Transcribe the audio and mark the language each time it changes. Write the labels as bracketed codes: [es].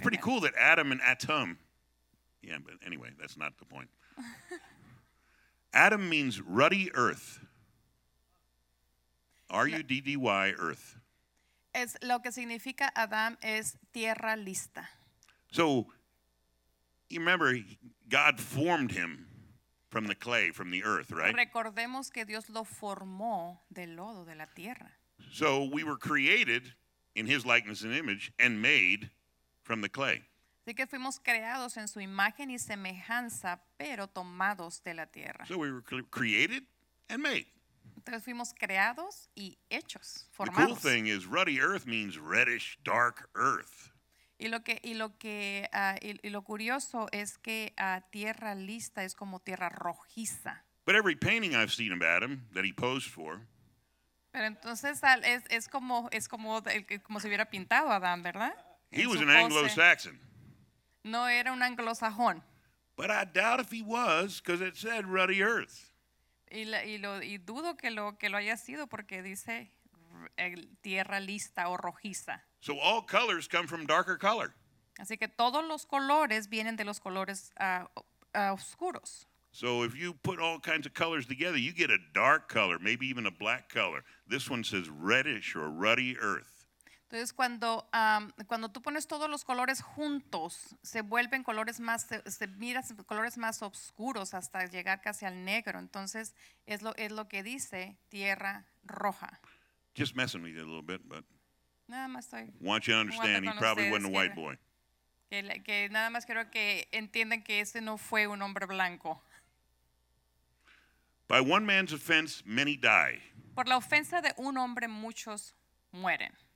[en] Pretty cool that Adam and Atum. Yeah, but anyway, that's not the point. Adam means ruddy earth. R-U-D-D-Y, earth. [es] Es lo que significa Adam es tierra lista. [en] So, you remember, God formed him from the clay, from the earth, right? [es] Recordemos que Dios lo formó del lodo, de la tierra. [en] So, we were created in his likeness and image and made from the clay. [es] Así que fuimos creados en su imagen y semejanza, pero tomados de la tierra. [en] So we were created and made. [es] Entonces fuimos creados y hechos, formados. [en] The cool thing is ruddy earth means reddish, dark earth. [es] Y lo curioso es que tierra lista es como tierra rojiza. [en] But every painting I've seen of Adam that he posed for. [es] Pero entonces es como si hubiera pintado a Adam, ¿verdad? [en] He was an Anglo-Saxon. [es] No era un anglosajón. [en] But I doubt if he was, because it said ruddy earth. [es] Y dudo que lo haya sido porque dice tierra lista o rojiza. [en] So all colors come from darker color. [es] Así que todos los colores vienen de los colores oscuros. [en] So if you put all kinds of colors together, you get a dark color, maybe even a black color. This one says reddish or ruddy earth. [es] Entonces cuando tú pones todos los colores juntos, se vuelven colores más, se miras colores más oscuros hasta llegar casi al negro. Entonces es lo que dice tierra roja. [en] Just messing with you a little bit, but. [es] Nada más estoy. [en] Want you to understand, he probably wasn't a white boy. [es] Que nada más quiero que entiendan que ese no fue un hombre blanco. [en] By one man's offense, many die. [es] Por la ofensa de un hombre, muchos mueren.